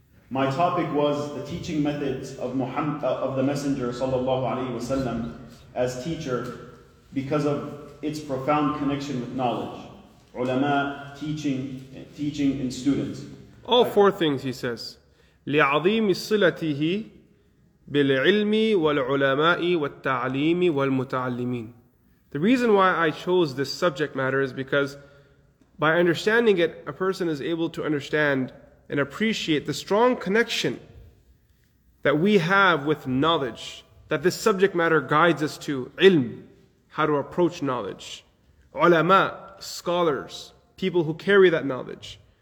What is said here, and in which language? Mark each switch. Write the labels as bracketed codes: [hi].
[en] My topic was the teaching methods of Muhammad, of the Messenger sallallahu alayhi wa sallam as teacher, because of its profound connection with knowledge, ulama, teaching in students. All four things, he says. [ar] لعظيم صلته بالعلم والعلماء والتعليم والمتعلمين. [en] The reason why I chose this subject matter is because by understanding it, a person is able to understand and appreciate the strong connection that we have with knowledge, that this subject matter guides us to. علم, how to approach knowledge. علماء, scholars, people who carry that knowledge.